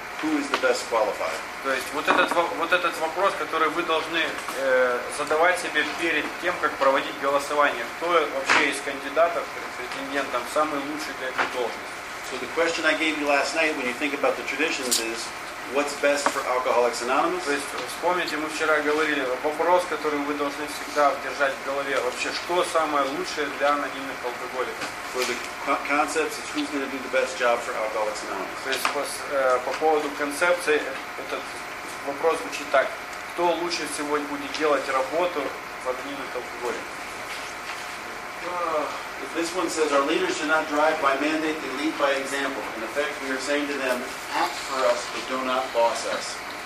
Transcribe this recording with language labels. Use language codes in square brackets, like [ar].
[en] Who is the best qualified? [ru] То есть вот этот вопрос, который вы должны задавать себе перед тем, как проводить голосование. Кто вообще из кандидатов, претендентов, самый лучший для этой должности? [en] So the question I gave you last night, when you think about the traditions, is what's best for Alcoholics Anonymous? [ru] То есть вспомните, мы вчера говорили, вопрос, который вы должны всегда держать в голове, вообще, что самое лучшее для анонимных алкоголиков? [en] For the concepts, it's who's going to do the best job for Alcoholics Anonymous. [ru] То есть по поводу концепции, этот вопрос звучит так: кто лучше всего будет делать работу в анонимных алкоголиках? [en] If this one says our leaders do not drive by mandate, they lead by example. In effect, we are saying to them, act for us, but do not boss us.